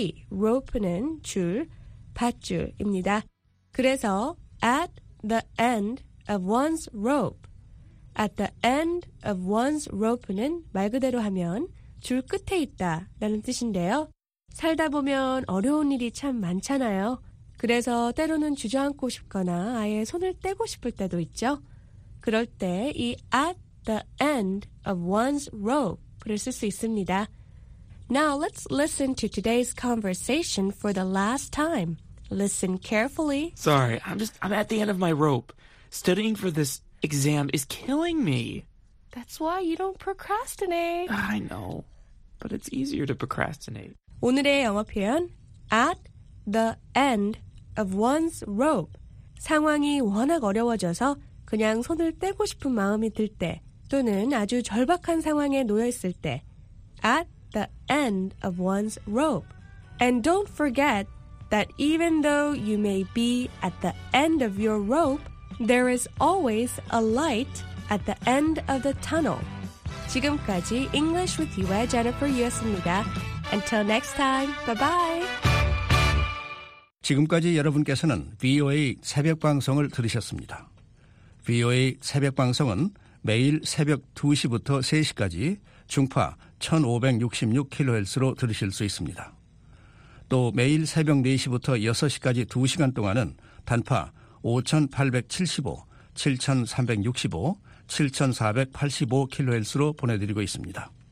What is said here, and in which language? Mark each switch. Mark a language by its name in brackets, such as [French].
[Korean] Rope는 줄, 밧줄입니다. 그래서 [English] at the end of one's rope. At the end of one's rope [Korean] 는 말 그대로 하면 줄 끝에 있다 라는 뜻인데요. 살다 보면 어려운 일이 참 많잖아요. 그래서 때로는 주저앉고 싶거나 아예 손을 떼고 싶을 때도 있죠. 그럴 때 이 [English] at the end of one's rope [Korean] 를 쓸 수 있습니다. [English] Now let's listen to today's conversation for the last time. Listen carefully. Sorry, I'm at the end of my rope. Studying for this exam is killing me. That's why you don't procrastinate. I know, but it's easier to procrastinate. [Korean] 오늘의 영어 표현, [English] at the end of one's rope. [Korean] 상황이 워낙 어려워져서 그냥 손을 떼고 싶은 마음이 들 때 또는 아주 절박한 상황에 놓여 있을 때 [English] at the end of one's rope. And don't forget that even though you may be at the end of your rope, there is always a light at the end of the tunnel. [Korean] 지금까지 English with You의 Jennifer Yu였습니다. [English] Until next time, bye-bye. [Korean] 지금까지 여러분께서는 VOA 새벽 방송을 들으셨습니다. VOA 새벽 방송은 매일 새벽 2시부터 3시까지 중파 1566kHz로 들으실 수 있습니다. 또 매일 새벽 4시부터 6시까지 2시간 동안은 단파 5,875, 7,365, 7,485kHz로 보내드리고 있습니다.